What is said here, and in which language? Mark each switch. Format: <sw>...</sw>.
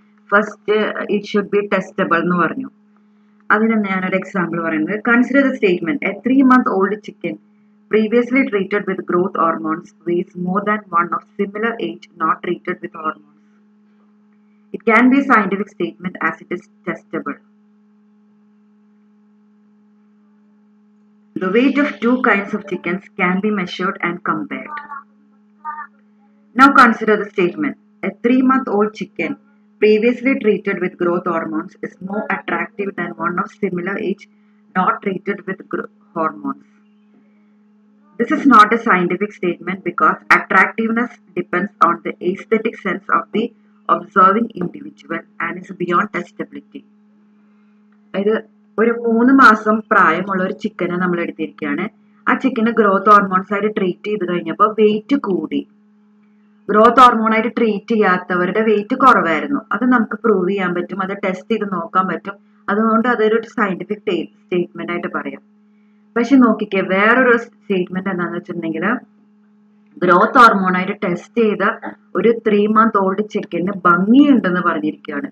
<en>first, it should be testable</en> <ml>എന്ന് പറഞ്ഞു. അതിന് ഞാനൊരു എക്സാമ്പിൾ പറയുന്നത്,</ml> <en>Consider the statement, a 3 month old chicken previously treated with growth hormones weighs more than one of similar age not treated with hormones. It can be scientific statement as it is testable. The weight of 2 kinds of chickens can be measured and compared. Now consider the statement, a 3-month-old chicken previously treated with growth hormones is more attractive than one of similar age not treated with hormones. This is not a scientific statement because attractiveness depends on the aesthetic sense of the observing individual and is beyond testability.</en> <ml>ഒരു 3 മാസം പ്രായമുള്ള ഒരു ചിക്കനെ നമ്മൾ എടുത്തിരിക്കുകയാണ്. ആ ചിക്കന് growth hormones ആയിട്ട് treat ചെയ്ത് കഴിഞ്ഞപ്പോൾ വെയിറ്റ് കൂടി. ഗ്രോത്ത് ഹോർമോൺ ആയിട്ട് ട്രീറ്റ് ചെയ്യാത്തവരുടെ വെയിറ്റ് കുറവായിരുന്നു. അത് നമുക്ക് പ്രൂവ് ചെയ്യാൻ പറ്റും, അത് ടെസ്റ്റ് ചെയ്ത് നോക്കാൻ പറ്റും. അതുകൊണ്ട് അതൊരു സയന്റിഫിക് സ്റ്റേറ്റ്മെന്റ് ആയിട്ട് പറയാം. പക്ഷെ നോക്കിക്കേ, വേറൊരു സ്റ്റേറ്റ്മെന്റ് എന്താന്ന് വെച്ചിട്ടുണ്ടെങ്കിൽ, ഗ്രോത്ത് ഹോർമോൺ ആയിട്ട് ടെസ്റ്റ് ചെയ്ത ഒരു 3-മന്ത് ഓൾഡ് ചിക്കന് ഭംഗിയുണ്ടെന്ന് പറഞ്ഞിരിക്കുകയാണ്.</ml>